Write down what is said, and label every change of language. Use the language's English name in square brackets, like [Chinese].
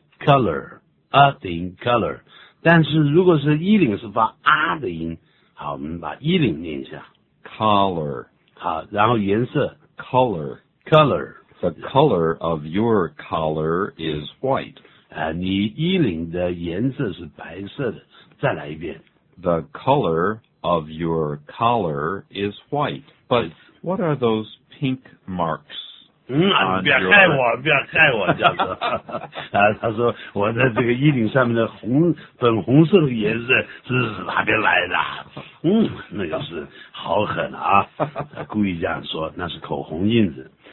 [Chinese] color, 的音, color, 但是如果是衣领是发啊的音, 好, 我们把衣领念一下, [English] collar, [Chinese] 好,然后颜色, [English] color, color, the color of your collar is white, [Chinese] 你衣领的颜色是白色的, 再来一遍, [English] the color of your collar is white, but what are those pink marks? [Chinese] 不要害我, 不要害我, 他说我在这个衣领上面的粉红色的颜色是哪边来的? 那就是好狠啊, 故意这样说, 那是口红印子。